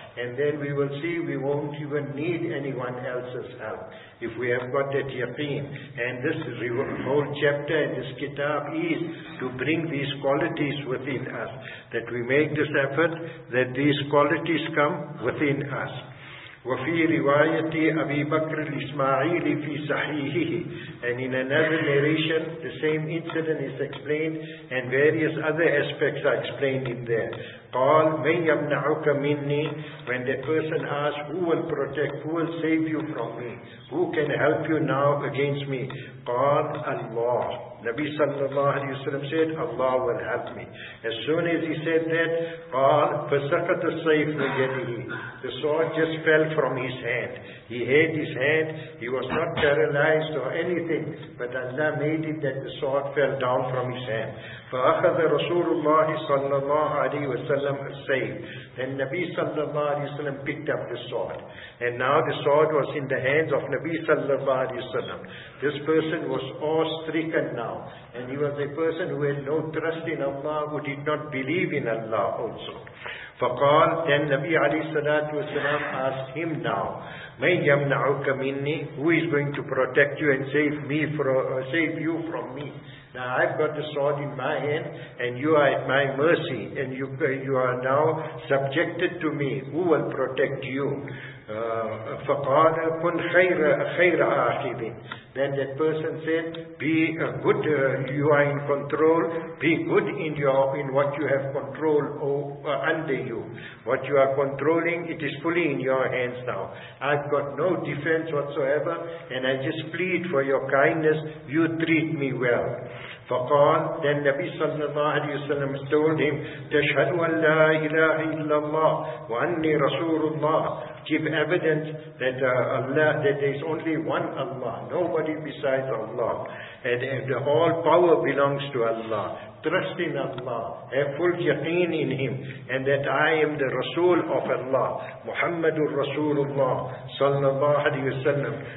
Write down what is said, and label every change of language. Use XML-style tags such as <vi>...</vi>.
<en>And then we will see we won't even need anyone else's help. If we have got that yaqeen, and this whole chapter in this kitab is to bring these qualities within us, that we make this effort, that these qualities come within us.</en> <ar>وفي رواية أبي بكر الإسماعيلي في صحيحه.</ar> <en>And in another narration, the same incident is explained, and various other aspects are explained in there.</en> <ar>قال من يمنعك مني.</ar> <en>When the person asks, who will protect, who will save you from me, who can help you now against me,</en> <ar>قال الله.</ar> <en>Nabi sallallahu alayhi wa sallam said, Allah will help me. As soon as he said that,</en> <ar>قال فسقط السيف من يده.</ar> <en>The sword just fell from his hand. He had his hand, he was not paralyzed or anything, but Allah made it that the sword fell down from his hand.</en> <ar>فأخذ رسول الله صلى الله عليه وسلم السيف.</ar> <en>Then Nabi sallallahu alayhi wa sallam picked up the sword. And now the sword was in the hands of Nabi sallallahu alayhi wa sallam. This person was awe-stricken now. And he was a person who had no trust in Allah, who did not believe in Allah also.</en> <ar>فقال,</ar> <en>then Nabi alayhi salatu wa sallam asked him now,</en> <ar>مَنْ يَمْنَعُكَ مِنِّي?</ar> <en>Who is going to protect you and save you from me? Now I've got the sword in my hand, and you are at my mercy, and you are now subjected to me. Who will protect you?</en> <ar>فَقَالَ كُنْ خَيْرَ آخِذٍ.</ar> <en>Then that person said, you are in control, be good in what you have control under you. What you are controlling, it is fully in your hands now. I've got no defense whatsoever, and I just plead for your kindness, you treat me well.</en> <ar>فقال,</ar> <en>then Nabi sallallahu alayhi wa sallam told him,</en> <ar>تشهد أن لا إله إلا الله وأني رسول الله.</ar> <en>Give evidence that Allah, that there is only one Allah, nobody besides Allah, and all power belongs to Allah. Trust in Allah, have full yaqeen in Him, and that I am the Rasul of Allah, Muhammadur Rasulullah sallallahu alayhi wa sallam.</en>